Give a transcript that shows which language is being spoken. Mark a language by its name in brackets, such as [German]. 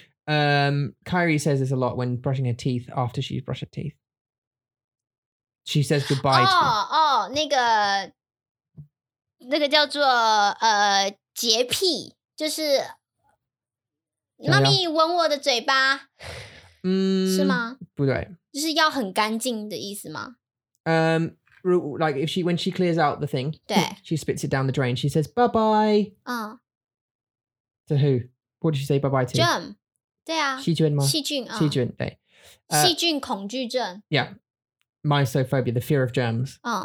[English] Kyrie says this a lot when brushing her teeth after she brushed her teeth. She says goodbye to her. [Chinese] 那个叫做, 洁癖, 就是, 妈咪吻我的嘴巴, 是吗? 不对。就是要很干净的意思吗? [English] through, like if she, when she clears out the thing, she spits it down the drain. She says, bye bye. To who? What did she say bye bye to? Jim. [Chinese] 对啊。细菌吗？细菌啊。细菌对。细菌恐惧症。 [English] Yeah. Mysophobia, the fear of germs.